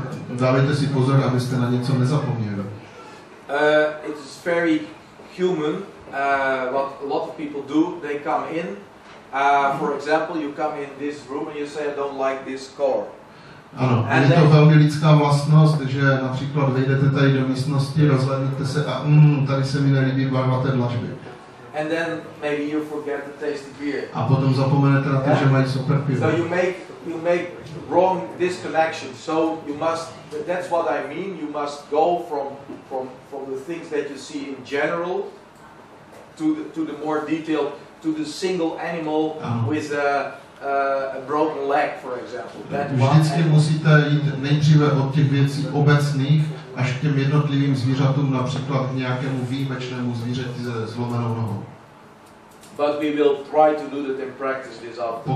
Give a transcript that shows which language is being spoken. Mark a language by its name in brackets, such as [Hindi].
[Czech] Dávejte si pozor, abyste na něco nezapomněli. [English] It is very human what a lot of people do. They come in. For example, you come in this room and you say, I don't like this car. [Czech] Ano, and je to velmi lidská vlastnost, že například vejdete tady do místnosti, rozhlédnete se a tady se mi nelíbí barva té dlažby. [English] And then maybe you forget the taste of beer. [Czech] A potom zapomenete na to, yeah? Že mají super pivo. [English] So you make wrong disconnection. So you must, that's what I mean, you must go from the things that you see in general to the more detailed, to the single animal with a a broken leg, for example. [Czech] Vždycky musíte jít nejdříve od těch věcí obecných až k těm jednotlivým zvířatům, například k nějakému výjimečnému zvířeti se zlomenou nohou. [English] But we will try to do that in practice this afternoon.